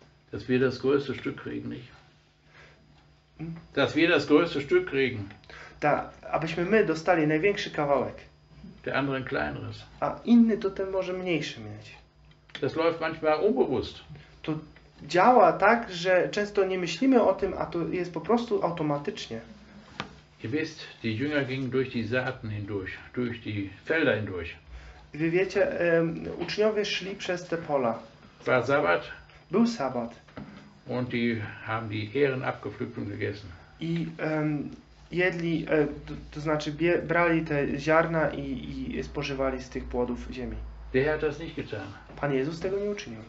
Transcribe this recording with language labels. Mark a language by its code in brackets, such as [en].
[de] Dass wir das größte Stück kriegen, nicht? Dass wir das größte Stück kriegen. [pl] Abyśmy my dostali największy kawałek. [de] Der andere kleineres. [pl] A inny to ten może mniejszy mieć. [de] Das läuft manchmal unbewusst. [pl] To działa tak, że często nie myślimy o tym, a to jest po prostu automatycznie. [de] Ihr wisst, die Jünger gingen durch die Saaten hindurch, durch die Felder hindurch. [pl] Wy wiecie, uczniowie szli przez te pola. [de] War Sabbat. [pl] Był Sabbat. [de] Und die haben die Ehren abgepflückt und gegessen. [pl] I jedli, to znaczy brali te ziarna i spożywali z tych płodów ziemi. [de] Der hat das nicht getan. [pl] Pan Jezus tego nie uczynił.